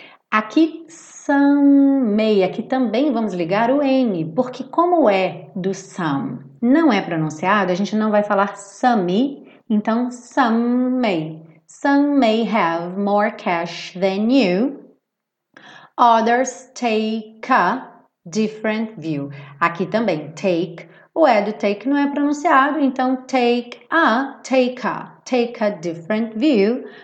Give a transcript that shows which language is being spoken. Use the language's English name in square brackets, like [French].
[Portuguese] Aqui some, meia, aqui também vamos ligar o N, porque como é do some? Não é pronunciado, a gente não vai falar some, então [English] some may have more cash than you. Others take a different view. [Portuguese] Aqui também take, o é do take não é pronunciado, então [English] take a different view.